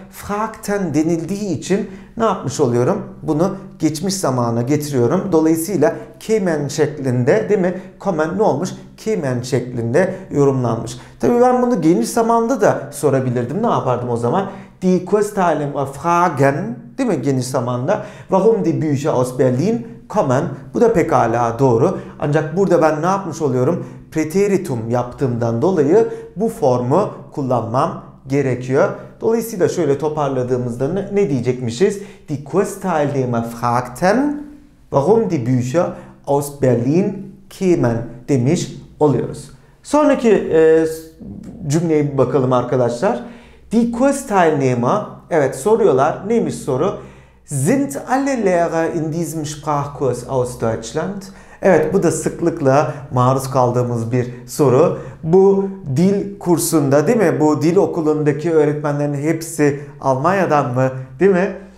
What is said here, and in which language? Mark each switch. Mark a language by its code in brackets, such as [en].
[tr] Fragten denildiği için ne yapmış oluyorum? Bunu geçmiş zamana getiriyorum. Dolayısıyla kämen şeklinde, değil mi? Kommen ne olmuş? Kämen şeklinde yorumlanmış. Tabii ben bunu geniş zamanda da sorabilirdim. Ne yapardım o zaman? [de] Die Kursteilnehmer fragen, [tr] değil mi? Geniş zamanda. [de] Warum die Bücher aus Berlin kommen? [tr] Bu da pekala doğru. Ancak burada ben ne yapmış oluyorum? Preteritum yaptığımdan dolayı bu formu kullanmam gerekiyor. Dolayısıyla şöyle toparladığımızda ne diyecekmişiz? [de] Die Kursteilnehmer fragten, warum die Bücher aus Berlin kämen [tr] demiş oluyoruz. Sonraki cümleye bir bakalım arkadaşlar. Die Kursteilnehmer, evet soruyorlar. Neymiş soru? [de] Sind alle Lehrer in diesem Sprachkurs aus Deutschland? [tr] Evet, bu da sıklıkla maruz kaldığımız bir soru. Bu dil kursunda, değil mi? Bu dil okulundaki öğretmenlerin hepsi Almanya'dan mı, değil mi?